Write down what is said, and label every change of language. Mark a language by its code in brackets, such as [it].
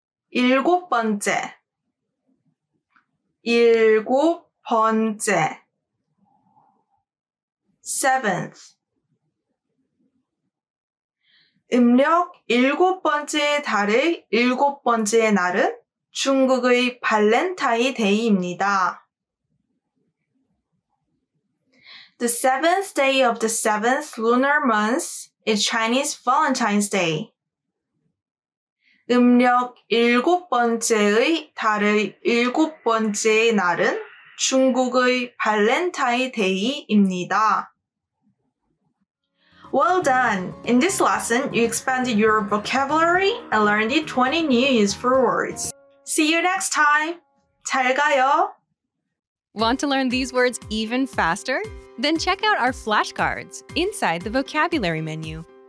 [ko] 일곱 번째 일곱 번째 [en] Seventh [ko] 음력 일곱 번째 달의 일곱 번째 날은 중국의 발렌타인 데이입니다. [en] The seventh day of the seventh lunar month is Chinese Valentine's Day. [ko] 음력 일곱 번째의 달의 일곱 번째 날은 중국의 발렌타인 데이입니다. [en] Well done! In this lesson, you expanded your vocabulary and learned 20 new useful words. See you next time! [ko] 잘 가요! [en] Want to learn these words even faster? Then check out our flashcards inside the vocabulary menu.